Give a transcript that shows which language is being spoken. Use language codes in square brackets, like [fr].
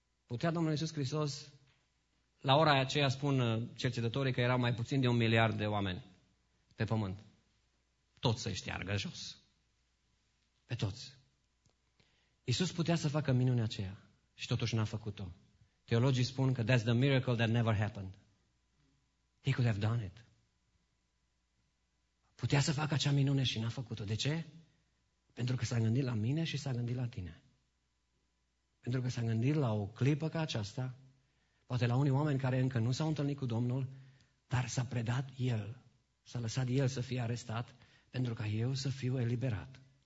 [ro] Putea Domnul Iisus Hristos, la ora aceea spun cercetătorii că erau mai puțin de un miliard de oameni pe pământ. Toți să-i șteargă jos. Pe toți. Iisus putea să facă minunea aceea și totuși n-a făcut-o. Teologii spun că [en] that's the miracle that never happened. He could have done it. [ro] Putea să facă acea minune și n-a făcut-o. De ce? Pentru că s-a gândit la mine și s-a gândit la tine. Pentru că s-a gândit la o clipă ca aceasta, poate la unii oameni care încă nu s-au întâlnit cu Domnul, dar s-a predat El, s-a lăsat El să fie arestat, pentru ca eu să fiu eliberat.